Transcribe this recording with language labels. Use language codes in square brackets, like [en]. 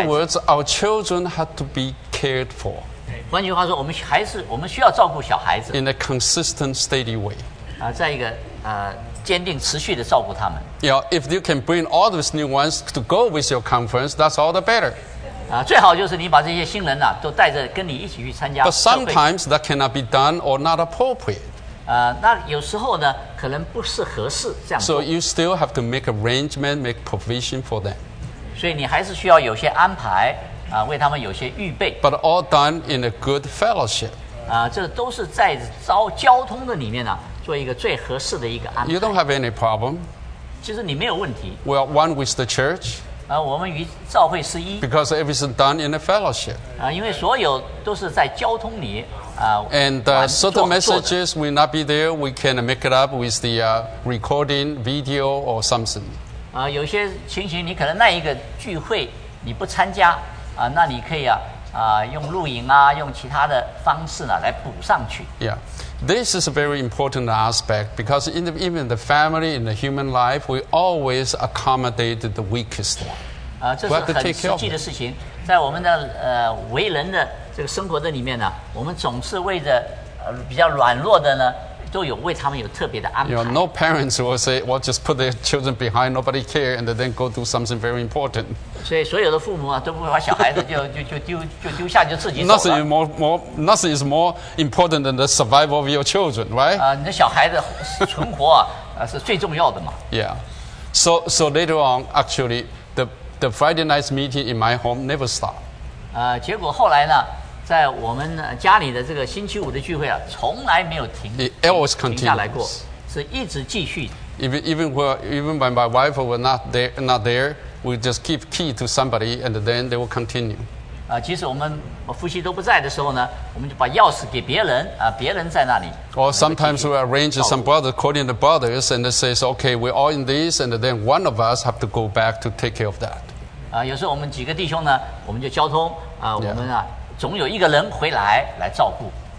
[en] In other words, our children have to be cared for. [zh] 换句话说，我们需要照顾小孩子。 [en] In a consistent, steady way. [zh] 在一个坚定持续的照顾他们。 [en] You know, if you can bring all those new ones to go with your conference, that's all the better. [zh] 最好就是你把这些新人都带着跟你一起去参加。 [en] But sometimes that cannot be done or not appropriate. [zh] 那有时候呢，可能不是合适这样。 [en] So you still have to make arrangement, make provision for them. [zh] 所以你还是需要有些安排。为他们有些预备。 [en] But all done in a good fellowship. [zh] 这都是在交通的里面呢，做一个最合适的一个安排。 [en] You don't have any problem. [zh] 其实你没有问题。 [en] We are one with the church. [zh] 我们与教会是一。 [en] Because everything done in a fellowship. [zh] 因为所有都是在交通里。 [en] And certain messages will not be there. We can make it up with the recording, video, or something. [zh] 有些情形你可能那一个聚会你不参加。那你可以用露营啊，用其他的方式呢、啊、来补上去。 [en] Yeah, this is a very important aspect because in the, even the family in the human life, we always accommodate the weakest one. [zh] 这是很实际的事情，在我们的为人的这个生活的里面呢、啊，我们总是为着比较软弱的呢。都有为他们有特别的安排。 [en] You know, no parents will say, "Well, just put their children behind, nobody care, and then go do something very important." [zh] 所以所有的父母啊，都不会把小孩子就丢下就自己走了。 [en] Nothing is nothing is more important than the survival of your children, right? [zh] 你的小孩子存活啊，是最重要的嘛。 [en] Yeah. So later on, actually, the Friday night meeting in my home never stop. [zh] 结果后来呢？在我们家里的这个星期五的聚会啊，从来没有停下来过，是一直继续。 [en] Even when my wife was not there, we just keep key to somebody, and then they will continue. [zh] 即使我们夫妻都不在的时候呢，我们就把钥匙给别人啊，别人在那里。 [en] Or sometimes we arrange some brothers calling the brothers and says, "Okay, we're all in this," and then one of us have to go back to take care of that. [zh] 有时候我们几个弟兄呢，我们就交通啊， yeah. 我们啊。总有一个人回来来照顾。